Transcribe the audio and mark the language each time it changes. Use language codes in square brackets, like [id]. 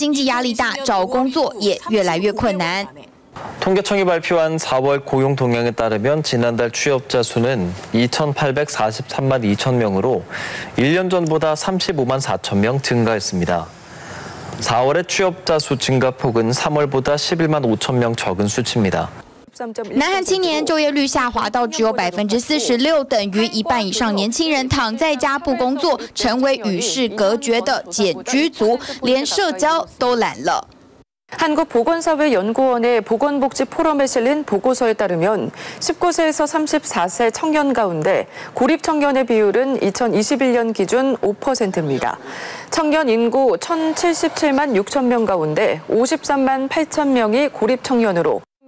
[zh] 南韩从能源到食品涨价涨不停，人民生活越来越苦，完全就是地狱朝鲜的写照。年轻人经济压力大，找工作也越来越困难。 [ko] 통계청이 발표한 4월 고용 동향에 따르면 지난달 취업자 수는 2,843만 2천 명으로 1년 전보다 35만 4천 명 증가했습니다. 4월의 취업자 수 증가폭은 3월보다 11만 5천 명 적은 수치입니다. [zh] 南韩青年就业率下滑到只有46%，等于一半以上年轻人躺在家不工作，成为与世隔绝的简居族，连社交都懒了。 [ko] 한국 보건사회연구원의 보건복지 포럼에 실린 보고서에 따르면 19세에서 34세 청년 가운데 고립 청년의 비율은 2021년 기준 5%입니다. 청년 인구 1,077만 6천 명 가운데 53만 8천 명이 고립 청년으로.